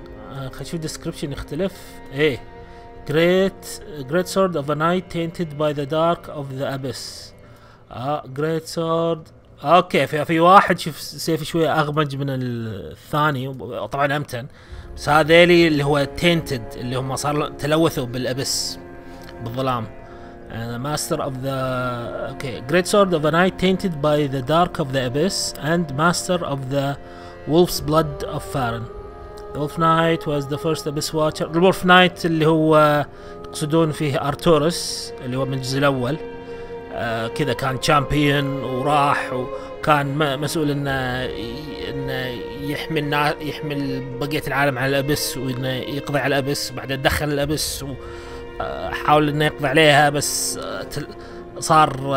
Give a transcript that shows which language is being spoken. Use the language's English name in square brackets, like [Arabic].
[Arabic] خلينا نشوف description يختلف. [English] Great sword of a knight tainted by the dark of the abyss. Great sword [Arabic] اوكي في واحد شوف سيف شويه اغمج من الثاني وطبعا امتن بس هذيلي اللي هو تينتد اللي هم صار تلوثوا بالابس بالظلام [English] and the master of the okay great sword of the night tainted by the dark of the abyss and master of the wolf's blood of Farin. The wolf knight was the first abyss watcher. [Arabic] The wolf knight اللي هو يقصدون فيه ارتورس اللي هو من الجزء الاول كذا كان champion وراح وكان مسؤول انه يحمي الناس يحمي بقيه العالم على الابس وانه يقضي على الابس بعد دخل الابس و حاول انه يقضي عليها بس صار